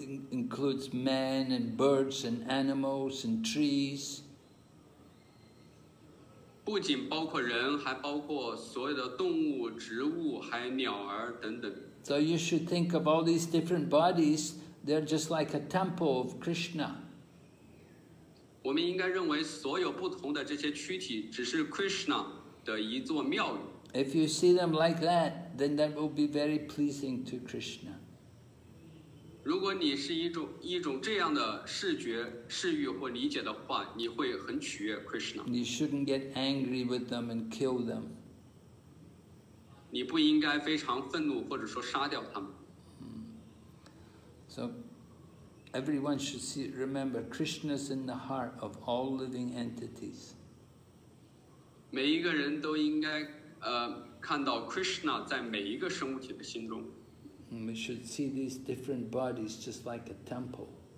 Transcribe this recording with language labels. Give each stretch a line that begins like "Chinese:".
English: Includes men and birds and animals and trees.
Chinese: 不仅包括人还包括所有的动物植物还有鸟儿等等。
English: So you should think of all these different bodies, they're just like a temple of Krishna.
Chinese: 我们应该认为所有不同的这些躯体只是 Krishna 的一座庙宇。
English: If you see them like that, then that will be very pleasing to Krishna.
Chinese: 如果你是一种这样的视觉、视域或理解的话，你会很取悦 Krishna.
English: You shouldn't get angry with them and kill them.
Chinese: 你不应该非常愤怒或者说杀掉他们。
English: So, everyone should see, remember, Krishna's in the heart of all living entities.
Chinese: 每一个人都应该看到 Krishna 在每一个生物体的心中。
English: We should see these different bodies just like a temple.